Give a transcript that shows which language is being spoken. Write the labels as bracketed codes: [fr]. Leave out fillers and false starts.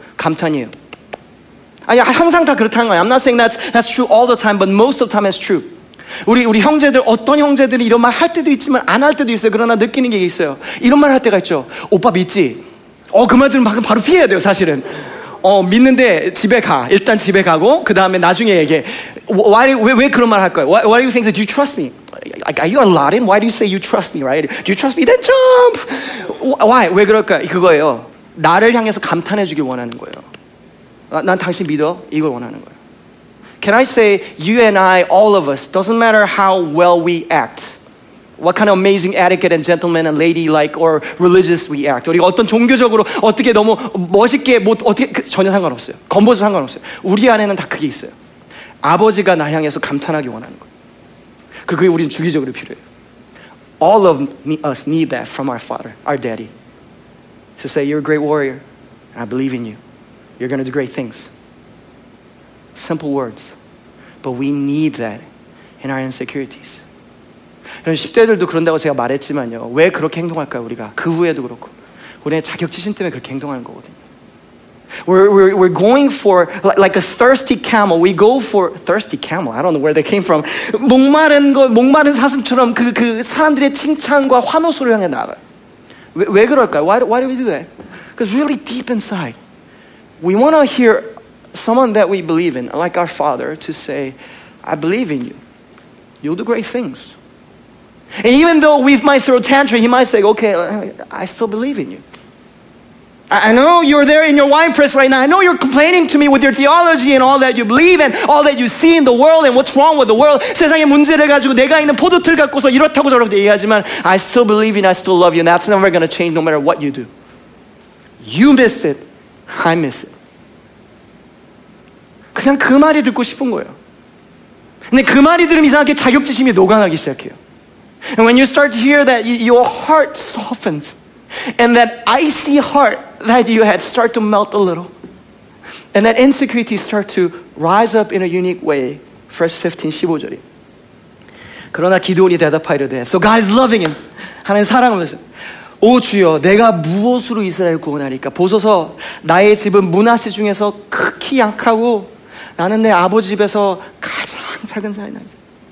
[ko] 감탄이에요. 아니, 항상 다 그렇다는 거예요. [en] I'm not saying that's true all the time, but most of the time it's true. [ko] 우리 형제들, 어떤 형제들이 이런 말 할 때도 있지만 안 할 때도 있어요. 그러나 느끼는 게 있어요. 이런 말 할 때가 있죠. 오빠 믿지? 어, 그 말들은 방금 바로 피해야 돼요, 사실은. 어, 믿는데 집에 가. 일단 집에 가고, 그 다음에 나중에 얘기해. [en] Why, [ko] 왜 그런 말 할 거예요? [en] Why do you think that, do you trust me? Are you a lot in? Why do you say you trust me, right? Do you trust me? Then jump! Why? [ko] 왜 그럴까요? 그거예요. 나를 향해서 감탄해 주길 원하는 거예요. [en] 난 당신 믿어. 이걸 원하는 거예요. Can I say, you and I, all of us, doesn't matter how well we act, what kind of amazing etiquette and gentleman and lady-like or religious we act, [ko] 우리가 어떤 종교적으로 어떻게 너무 멋있게, 뭐 어떻게, 전혀 상관없어요. 건보도 상관없어요. 우리 안에는 다 그게 있어요. 아버지가 나 향해서 감탄하기 원하는 거예요. 그게 우리는 주기적으로 필요해요. [en] All of us need that from our father, our daddy, to say, you're a great warrior, and I believe in you. You're going to do great things. Simple words. But we need that in our insecurities. [ko] 10대들도 그런다고 제가 말했지만요. 왜 그렇게 행동할까요, 우리가? 그 후에도 그렇고. 우리의 자격지심 때문에 그렇게 행동하는 거거든요. [en] We're going for like a thirsty camel. We go for thirsty camel. I don't know where they came from. [ko] 목마른 거, 목마른 사슴처럼 그 사람들의 칭찬과 환호 소리를 향해 나가요. 왜 그럴까요? [en] Why do we do that? Because really deep inside, we want to hear someone that we believe in, like our father, to say, I believe in you. You'll do great things. And even though we might throw tantrum, he might say, okay, I still believe in you. I know you're there in your wine press right now. I know you're complaining to me with your theology and all that you believe and all that you see in the world and what's wrong with the world. [ko] 세상의 문제를 가지고 내가 있는 포도틀 갖고서 이렇다고 저렇게 얘기하지만 [en] I still believe in you, I still love you, and that's never going to change no matter what you do. You miss it, I miss it. [ko] 그냥 그 말이 듣고 싶은 거예요. 근데 그 말이 들으면 이상하게 자격지심이 녹아나기 시작해요. [en] And when you start to hear that, your heart softens. And that icy heart that you had start to melt a little. And that insecurity start to rise up in a unique way. Verse 15, [ko] 15절이. 그러나 기드온이 대답하이르되. [en] So God is loving him. [ko] 하나님 사랑하면서. 오 주여, 내가 무엇으로 이스라엘 구원하리까? 보소서, 나의 집은 므낫세 중에서 극히 약하고 나는 내 아버지 집에서 가장 작은 자이나이다.